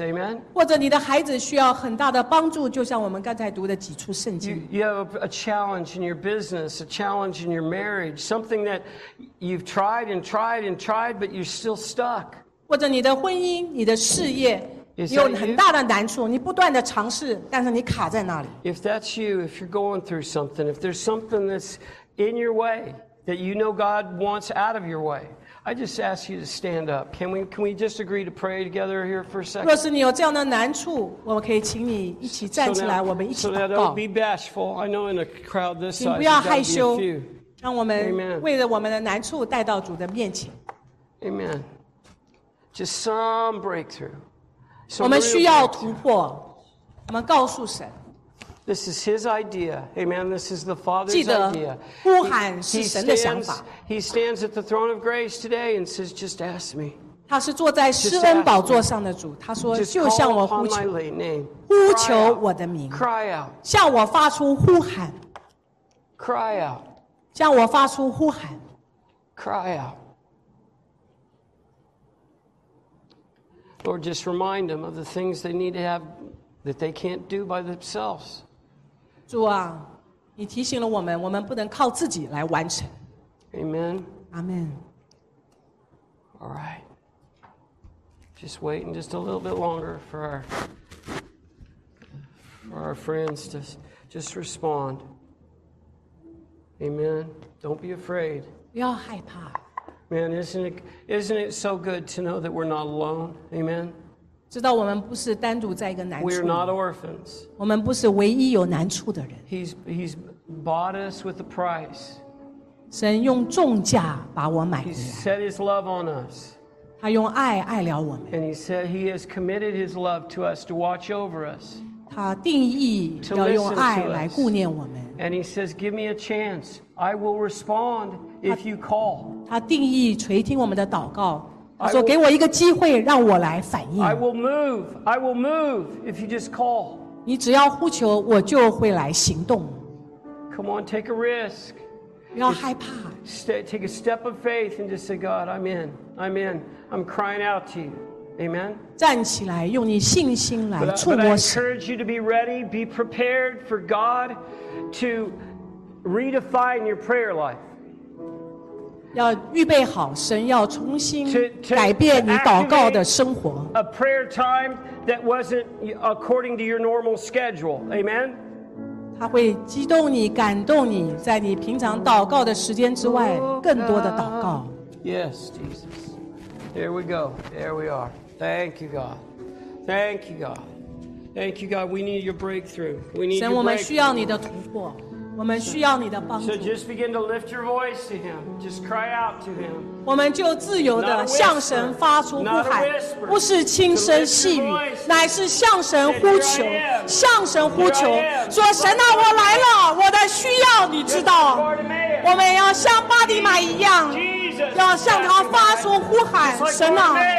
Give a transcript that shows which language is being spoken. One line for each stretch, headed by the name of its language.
English: Amen.
Chinese: 或者你的孩子需要很大的帮助，就像我们刚才读的几处圣经。
English: You have a challenge in your business, a challenge in your marriage, something that you've tried and tried and tried, but you're still stuck.
Chinese: 或者你的婚姻、你的事业有很大的难处，你不断的尝试，但是你卡在那里。
English: If that's you, if you're going through something, if there's something that's in your way that you know God wants out of your way, I just ask you to stand up. Can we just agree to pray together here for a second?
Chinese: 若是你有这样的难处，我们可以请你一起站起来，我们一起祷告。
English: So now, don't be bashful. I know in a crowd this size,
Chinese: 请不要害羞，让我们为了我们的难处带到主的面前。
English: Amen. Just some breakthrough. Some
Chinese: 我们需要突破。我们告诉神。
English: This is His idea, Amen. This is the Father's idea.
Chinese: 记得，呼喊是神的想法。
English: He stands at the throne of grace today and says, "Just ask me."
Chinese: 他是坐在施恩宝座上的主。他说，就向我呼求，呼求我的名。
English: Cry out.
Chinese: 向我发出呼喊。
English: Cry out.
Chinese: 向我发出呼喊。
English: Cry out. Lord, just remind them of the things they need to have that they can't do by themselves.
Chinese: 主啊，你提醒了我们，我们不能靠自己来完成。
English: Amen. Amen. All right. Just waiting just a little bit longer for our friends to just respond. Amen. Don't be afraid.
Chinese: 不要害怕。
English: Man, isn't it so good to know that we're not alone? Amen.
Chinese: 知道我们不是单独在一个难处。
English: We're not orphans.
Chinese: 我们不是唯一有难处的人。
English: He's bought us with a price.
Chinese: 神用重价把我买回来。
English: He set his love on us.
Chinese: 他用爱爱了我们。
English: And he said he has committed his love to us to watch over us.
Chinese: 他定义要用爱来顾念我们。
English: And he says, "Give me a chance. I will respond if you call."
Chinese: 他定义垂听我们的祷告。他说：“给我一个机会，让我来反应。
English: ”I will move. I will move if you just call.
Chinese: 你只要呼求，我就会来行动。
English: Come on, take a risk.
Chinese: 不要害怕。
English: Take a step of faith and just say, "God, I'm in. I'm in. I'm crying out to you." Amen.
Chinese: 站起来，用你信心来触摸神。
English: But I encourage you to be ready, be prepared for God to redefine your prayer life.
Chinese: 要预备好，神要重新改变你祷告的生活。
English: A prayer time that wasn't according to your normal schedule. Amen.
Chinese: 他会激动你，感动你，在你平常祷告的时间之外，更多的祷告。
English: Yes, Jesus. Here we go. There we are. Thank you, God. Thank you, God. Thank you, God. We need your breakthrough. We need
Chinese: 神我们需要你的突破，我们需要你的帮助。 So just begin to lift your voice to Him. Just cry out to Him. 我们就自由地向神发出呼喊，不是轻声细语，乃是向神呼求，向神呼求，说神啊，我来了，我的需要你知道。我们要像巴底玛一样，要向他发出呼喊，神啊。